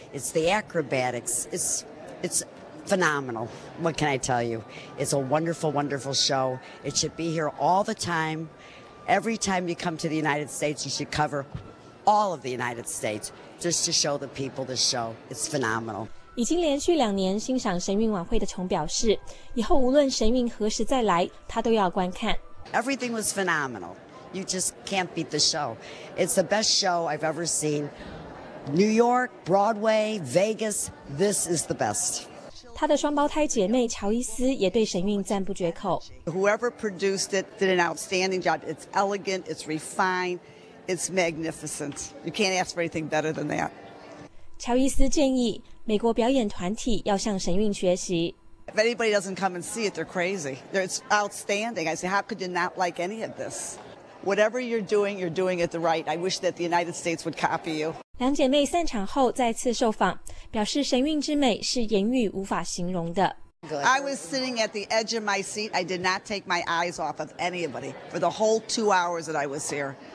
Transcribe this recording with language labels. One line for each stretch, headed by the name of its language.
English: It's the acrobatics. It's phenomenal. What can I tell you? It's a wonderful, wonderful show. It should be here all the time. Every time you come to the United States, you should cover all of the United States just to show the people the show. It's phenomenal.
Chinese: 已经连续两年欣赏神韵晚会的琼表示，以后无论神韵何时再来，他都要观看。
English: Everything was phenomenal. You just can't beat the show. It's the best show I've ever seen. New York, Broadway, Vegas, this is the best.
Chinese: 他的双胞胎姐妹乔伊斯也对神韵赞不绝口。
English: Whoever produced it did an outstanding job. It's elegant, it's refined, it's magnificent. You can't ask for anything better than that.
Chinese: 乔伊斯建议美国表演团体要向神韵学习。
English: If anybody doesn't come and see it, they're crazy. It's outstanding. I say, how could you not like any of this? Whatever you're doing it the right. I wish that the United States would copy you.
Chinese: 两姐妹散场后再次受访，表示神韵之美是言语无法形容的。
English: I was sitting at the edge of my seat. I did not take my eyes off of anybody for the whole 2 hours that I was here.